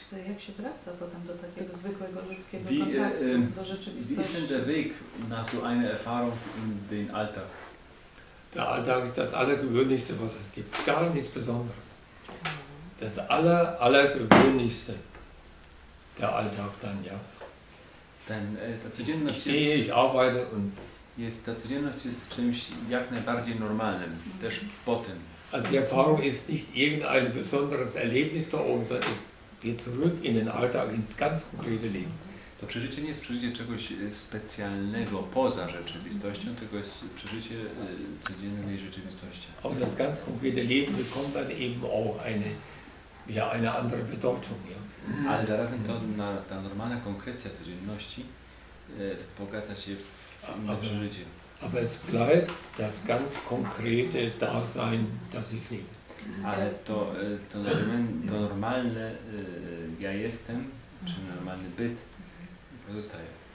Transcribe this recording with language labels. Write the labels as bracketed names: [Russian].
[Polish] Jak się wraca potem do takiego zwykłego ludzkiego kontaktu, do rzeczywistości? [German] Wie ist denn der Weg nach so einer Erfahrung in den Alltag? Der Alltag ist das Allergewöhnlichste, was es gibt. Gar nichts Besonderes. Das Allergewöhnlichste, der Alltag dann, ja. Denn ich arbeite und... [Polish] Jest, ta codzienność jest czymś jak najbardziej normalnym, też po tym. [German] Also die Erfahrung ist nicht irgendein besonderes Erlebnis da oben, sondern es geht zurück in den Alltag, ins ganz konkrete Leben. [Polish] To przeżycie nie jest przeżycie czegoś specjalnego poza rzeczywistością, tylko jest przeżycie codziennej rzeczywistości. [German] Auch das ganz konkrete Leben bekommt dann eben auch eine andere Bedeutung. Ja. [Polish] Ale zarazem to, ta normalna konkrecja codzienności wzbogaca się w innym przeżycie. [German] Aber es bleibt das ganz konkrete Dasein, das ich lebe. [Polish] Ale to normalne ja jestem, czy normalny byt, pozostaje.